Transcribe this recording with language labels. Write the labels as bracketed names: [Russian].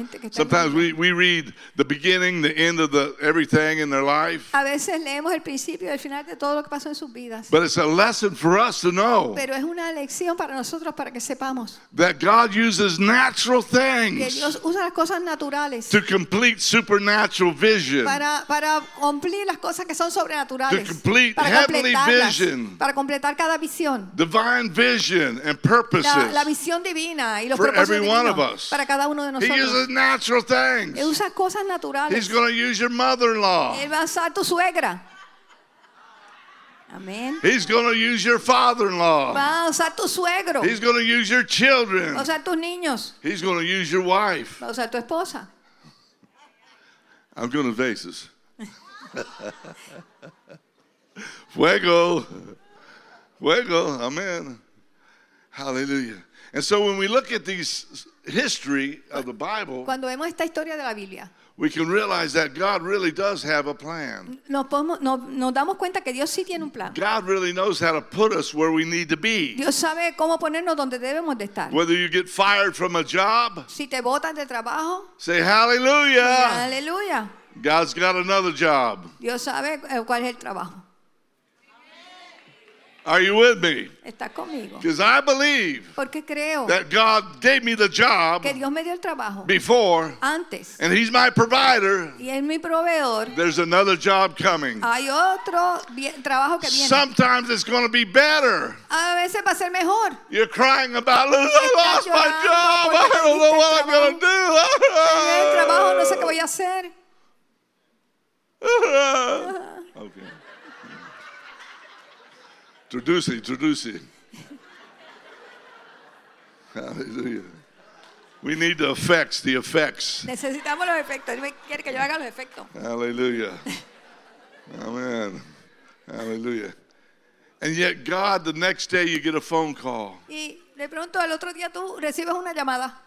[English] Sometimes we read the beginning, the end of the everything in their life. [Spanish] A veces leemos el principio y el final de todo lo que pasó en sus vidas. [English] But it's a lesson for us to know. [Spanish] Pero es una lección para nosotros para que sepamos. [English] That God uses natural things. [Spanish] Que Dios usa las cosas naturales. [English] To complete supernatural vision. [Spanish] Para cumplir las cosas que son sobrenaturales. [English] To complete heavenly vision. [Spanish] Para completar cada visión. [English] Divine vision and purposes. [Spanish] La visión divina y los propósitos. [English] One of us. [Spanish] Para cada uno de nosotros. [English] He uses natural things. [Spanish] Él usa cosas naturales. [English] He's going to use your mother-in-law. [Spanish] Él va a usar tu suegra. Amen. [English] He's going to use your father-in-law. [Spanish] Va a usar tu suegro. [English] He's going to use your children. [Spanish] Va a usar tus niños. [English] He's going to use your wife. [Spanish] Va a usar tu esposa. [English] I'm going to vases. [Spanish] Fuego. Fuego. Amen. Hallelujah. [English] And so when we look at these history of the Bible, [Spanish] cuando vemos esta historia de la Biblia, [English] we can realize that God really does have a plan. [Spanish] Nos damos cuenta que Dios sí tiene un plan. [English] God really knows how to put us where we need to be. [Spanish] Dios sabe cómo ponernos donde debemos de estar. [English] Whether you get fired from a job, [Spanish] si te botan de trabajo, [English] say hallelujah. Hallelujah. God's got another job. [Spanish] Dios sabe cuál es el trabajo. [English] Are you with me? [Spanish] Está conmigo. [English] Because I believe [Spanish] porque creo [English] that God gave me the job [Spanish] que Dios me dio el trabajo [English] before [Spanish] antes. [English] And he's my provider. [Spanish] Y es mi proveedor. [English] There's another job coming. [Spanish] Hay otro trabajo que viene. [English] Sometimes it's going to be better. [Spanish] A veces va a ser mejor. [English] You're crying about, I lost my job. I don't know what I'm going to do. [Spanish] El trabajo no sé qué voy a hacer. [English] Okay. [Spanish] Traduce, traduce. [English] Hallelujah. We need the effects, the effects. [Spanish] Necesitamos los efectos. Dime, quiere que yo haga los efectos. [English] Hallelujah. Amen. Hallelujah. And yet, God, the next day you get a phone call. [Spanish] Y de pronto el otro día tú recibes una llamada.